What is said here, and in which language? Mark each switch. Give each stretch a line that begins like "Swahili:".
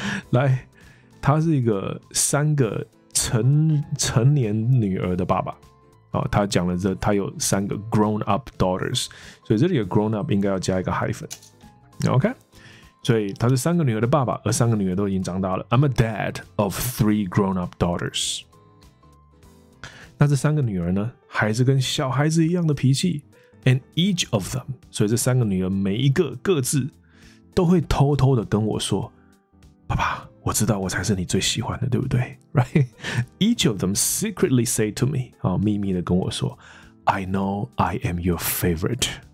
Chinese: 来，他是一个三个 成年女儿的爸爸。哦，他讲了这，他有三个
English: grown-up daughters.
Chinese: 所以这里的 grown-up 应该要加一个 hyphen. Okay? 所以他是三个女儿的爸爸，而三个女儿都已经长大了。
English: I'm a dad of three grown-up daughters。
Chinese: 那这三个女儿呢，还是跟小孩子一样的脾气。
English: And each of them，
Chinese: 所以这三个女儿每一个各自都会偷偷的跟我说：“爸爸，我知道我才是你最喜欢的，对不对 ？”
English: Right？Each of them secretly say to me，
Chinese: 啊，秘密的跟我说 ：
English: “I know I am your favorite。”